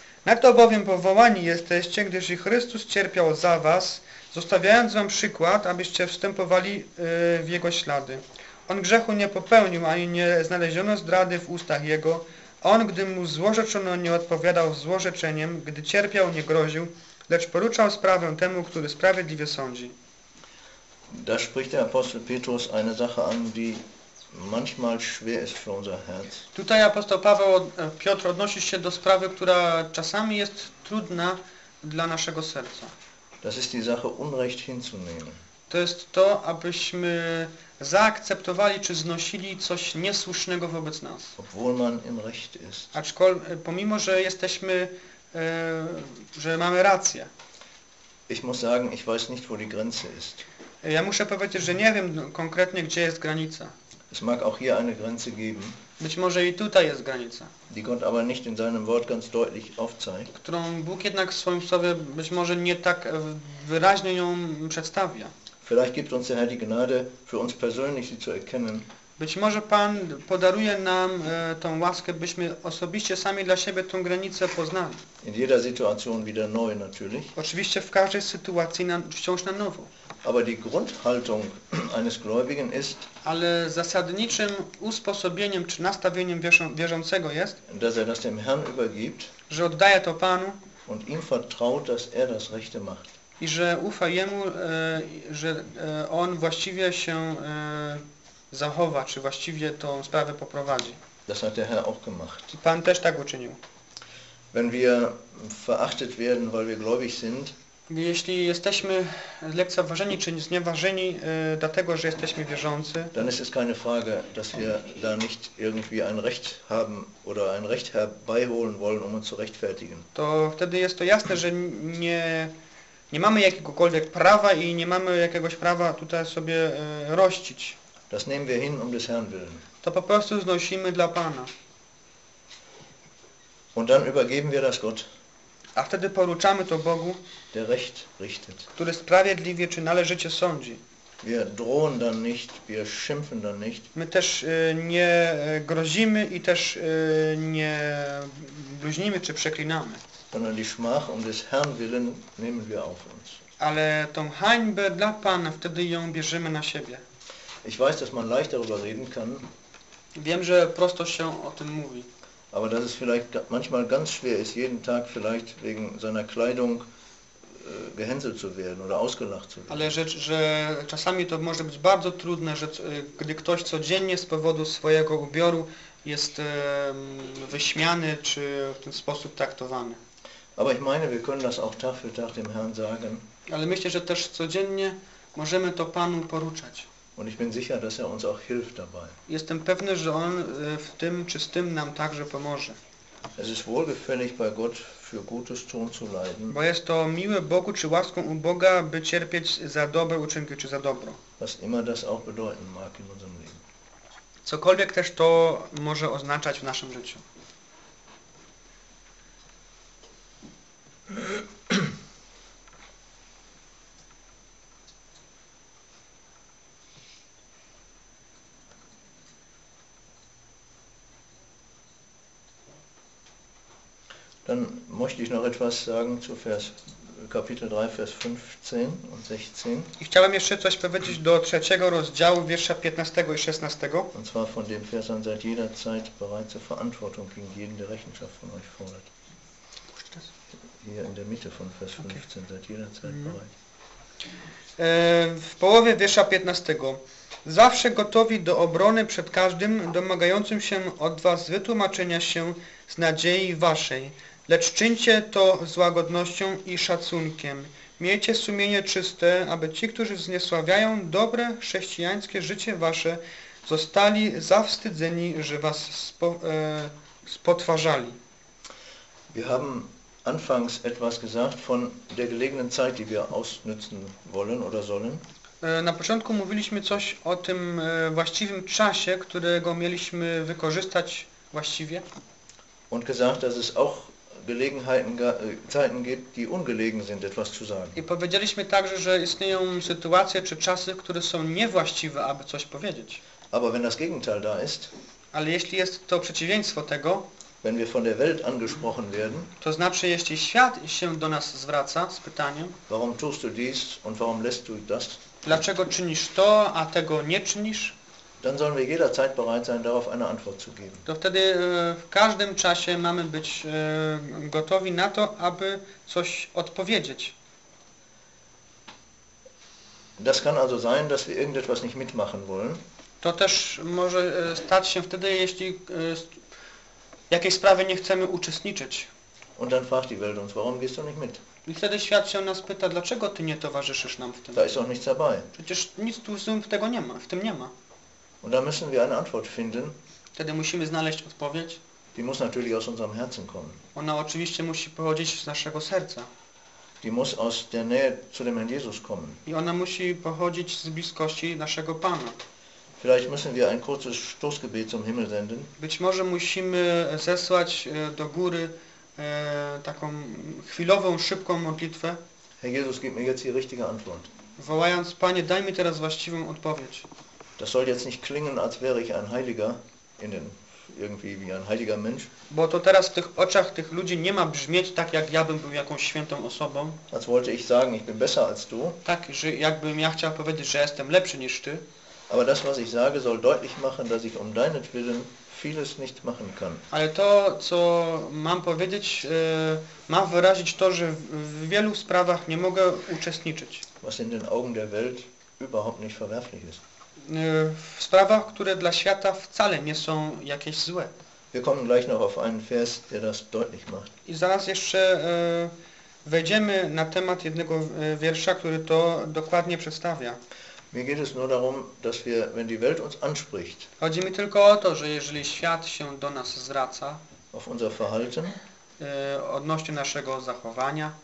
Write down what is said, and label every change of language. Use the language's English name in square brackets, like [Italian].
[Polish] Na to bowiem powołani jesteście, gdyż i Chrystus cierpiał za was, zostawiając wam przykład, abyście wstępowali w Jego ślady. On grzechu nie popełnił, ani nie znaleziono zdrady w ustach Jego. On, gdy mu złorzeczono, nie odpowiadał złorzeczeniem, gdy cierpiał, nie groził, lecz poruczał sprawę temu, który sprawiedliwie sądzi. [German] Da spricht der Apostel Petrus eine Sache an, die manchmal schwer ist für unser Herz. [Polish] Tutaj apostoł Paweł, Piotr odnosi się do sprawy, która czasami jest trudna dla naszego serca. [German] Das ist die Sache, Unrecht hinzunehmen. [Polish] To jest to, abyśmy zaakceptowali czy znosili coś niesłusznego wobec nas. [German] Obwohl man im Recht ist. [Polish] Aczkolwiek, pomimo, że jesteśmy, że mamy rację. [German] Ich muss sagen, ich weiß nicht, wo die Grenze ist. [Polish] Ja muszę powiedzieć, że nie wiem konkretnie, gdzie jest granica. [German] Es mag auch hier eine Grenze geben. [Polish] Być może i tutaj jest granica. [German] Die Gott aber nicht in seinem Wort ganz deutlich aufzeigt. [Polish] Którą Bóg jednak w swoim słowie być może nie tak wyraźnie ją przedstawia. [German] Vielleicht gibt uns der Herr die Gnade, für uns persönlich sie zu erkennen. [Polish] Być może Pan podaruje nam tą łaskę, byśmy osobiście sami dla siebie tą granicę poznali. [German] In jeder Situation wieder neu natürlich. [Polish] Oczywiście w każdej sytuacji wciąż na nowo. [German] Aber die Grundhaltung eines Gläubigen ist, [Polish] ale zasadniczym usposobieniem czy nastawieniem wierzącego jest, [German] dass er das dem Herrn übergibt, [Polish] że oddaje to Panu [German] und ihm vertraut, dass er das Rechte macht. [Polish] I że ufa Jemu, że On właściwie się zachowa, czy właściwie tą sprawę poprowadzi. [German] Das hat der Herr auch gemacht. [Polish] I Pan też tak uczynił. [German] Wenn wir verachtet werden, weil wir gläubig sind, [Polish] jeśli jesteśmy lekceważeni czy znieważeni dlatego, że jesteśmy wierzący, [German] dann ist es keine Frage, dass wir da nicht irgendwie ein Recht haben oder ein Recht herbeiholen wollen, um uns zu rechtfertigen. [Polish] To wtedy jest to jasne, że nie mamy jakiegokolwiek prawa i nie mamy jakiegoś prawa tutaj sobie rościć. [German] Das nehmen wir hin um des Herrn willen. [Polish] To po prostu znosimy dla Pana. [German] Und dann übergeben wir das Gott. [Polish] A wtedy poruczamy to Bogu, [German] der Recht richtet. [Polish] Który sprawiedliwie czy należycie sądzi. [German] Wir drohen dann nicht, wir schimpfen dann nicht. [Polish] My też nie grozimy i też nie bluźnimy czy przeklinamy. [German] Sondern die Schmach um des Herrn willen nehmen wir auf uns. [Polish] Ale tą hańbę dla Pana wtedy ją bierzemy na siebie. [German] Ich weiß, dass man leicht darüber reden kann. [Polish] Wiem, że prosto się o tym mówi. [German] Aber dass es vielleicht manchmal ganz schwer ist, jeden Tag vielleicht wegen seiner Kleidung gehänselt zu werden oder ausgelacht zu werden. [Polish] Ale rzecz, że czasami to może być bardzo trudne, że gdy ktoś codziennie z powodu swojego ubioru jest wyśmiany czy w ten sposób traktowany. [German] Aber ich meine, wir können das auch Tag für Tag dem Herrn sagen. [Polish] Ale myślę, że też codziennie możemy to Panu poruszać. [German] Und ich bin sicher, dass er uns auch hilft dabei. [Polish] Jestem pewny, że on w tym czy z tym nam także pomoże. [German] Es ist wohlgefällig bei Gott für Gutes tun zu leiden. [Polish] Bo jest to miłe Bogu czy łaską u Boga, by cierpieć za dobre uczynki czy za dobro. [German] Was immer das auch bedeuten mag in unserem Leben. [Polish] Cokolwiek też to może oznaczać w naszym życiu. [German] Dann möchte ich noch etwas sagen zu Vers Kapitel 3 Vers 15 und 16. [Polish] Ich chciałem jeszcze coś powiedzieć do trzeciego rozdziału wiersza 15 i 16. [German] Und zwar von dem Vers an, seid jederzeit bereit zur Verantwortung gegen jeden, der Rechenschaft von euch fordert. Wo steht das? Hier in der Mitte von Vers 15, okay. Seid jederzeit bereit. [Polish] W połowie wiersza 15. Zawsze gotowi do obrony przed każdym domagającym się od was wytłumaczenia się z nadziei waszej. Lecz czyńcie to z łagodnością i szacunkiem. Miejcie sumienie czyste, aby ci, którzy zniesławiają dobre chrześcijańskie życie wasze, zostali zawstydzeni, że was spotwarzali. [German] Wir haben anfangs etwas gesagt von der gelegenen Zeit, die wir ausnutzen wollen oder sollen. [Polish] Na początku mówiliśmy coś o tym właściwym czasie, którego mieliśmy wykorzystać właściwie. [German] Und gesagt, dass es auch Gelegenheiten, Zeiten gibt, die ungelegen sind, etwas zu sagen. [Polish] I powiedzieliśmy także, że istnieją sytuacje czy czasy, które są niewłaściwe, aby coś powiedzieć. [German] Aber wenn das Gegenteil da ist, [Polish] ale jeśli jest to przeciwieństwo tego, [German] wenn wir von der Welt angesprochen werden, [Polish] to znaczy, jeśli świat się do nas zwraca z pytaniem, [German] warum tust du dies und warum lässt du das? [Polish] Dlaczego czynisz to, a tego nie czynisz? [German] Dann sollen wir jederzeit bereit sein, darauf eine Antwort zu geben. [Polish] To wtedy w każdym czasie mamy być gotowi na to, aby coś odpowiedzieć. [German] Das kann also sein, dass wir irgendetwas nicht mitmachen wollen. [Polish] To też może stać się wtedy, jeśli w jakiejś sprawie nie chcemy uczestniczyć. [German] Und dann fragt die Welt uns, warum gehst du nicht mit? [Polish] I wtedy świat się nas pyta, dlaczego ty nie towarzyszysz nam w tym? [German] Da ist auch nichts dabei. [Polish] Przecież nic tu w tego nie ma, w tym nie ma. [German] Und da müssen wir eine Antwort finden. [Polish] Wtedy musimy znaleźć odpowiedź. [German] Die muss natürlich aus unserem Herzen kommen. [Polish] Ona oczywiście musi pochodzić z naszego serca. [German] Die muss aus der Nähe zu dem Herrn Jesus kommen. [Polish] I ona musi pochodzić z bliskości naszego Pana. [German] Vielleicht müssen wir ein kurzes Stoßgebet zum Himmel senden. [Polish] Być może musimy zesłać do góry taką chwilową, szybką modlitwę. [German] Herr Jesus, gib mir jetzt die richtige Antwort. [Polish] Wołając, Panie, daj mi teraz właściwą odpowiedź. [German] Das soll jetzt nicht klingen, als wäre ich ein Heiliger in den irgendwie wie ein heiliger Mensch. [Polish] Bo to teraz w tych oczach tych ludzi nie ma brzmieć tak, jak ja bym był jakąś świętą osobą. [German] Als wollte ich sagen, ich bin besser als du. [Polish] Tak, że jakbym ja chciał powiedzieć, że jestem lepszy niż ty. [German] Aber das, was ich sage, soll deutlich machen, dass ich um deinetwillen vieles nicht machen kann. [Polish] Ale to, co mam powiedzieć, ma wyrazić to, że w wielu sprawach nie mogę uczestniczyć. [German] Was in den Augen der Welt überhaupt nicht verwerflich ist. [Polish] W sprawach, które dla świata wcale nie są jakieś złe. [German] Wir kommen gleich noch auf einen Vers, der das deutlich macht. [Polish] I zaraz jeszcze wejdziemy na temat jednego wiersza, który to dokładnie przedstawia. [German] Mir geht es nur darum, dass wir, wenn die Welt uns anspricht, [Polish] chodzi mi tylko o to, że jeżeli świat się do nas zwraca, [German] auf unser Verhalten, [Polish] odnośnie naszego zachowania,